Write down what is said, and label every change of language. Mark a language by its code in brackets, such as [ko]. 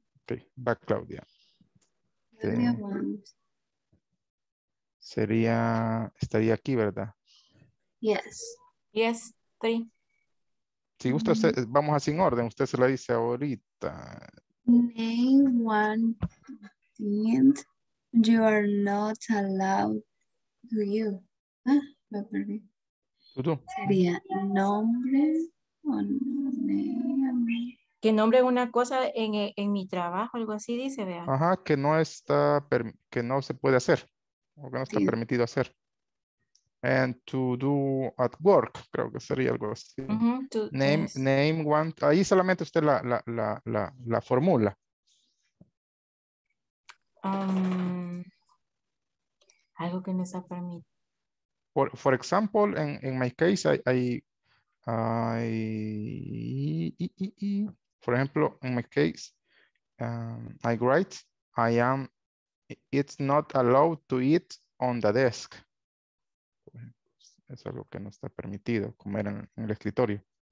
[en] Okay, back Claudia. Okay. [es] Sería, estaría aquí, ¿verdad? [en] Yes, three. [es] Si gusta, mm-hmm. Usted, vamos así en orden, usted se la dice ahorita. [en] Name one thing you are not allowed to you. [es] ¿Tú, tú? Sería nombre o name. Que nombre una cosa en mi trabajo, algo así dice, vea. Ajá, que no está, que no se puede hacer, o que no está permitido hacer. [en] And to do at work, [es] creo que sería algo así. Uh-huh, [en] name one, [es] ahí solamente usted la formula. Algo que no está permitido. [en] For example, in my case, for example, in my case, I write, I am, it's not allowed to eat on the desk. [es] Es algo que no está permitido comer en el escritorio.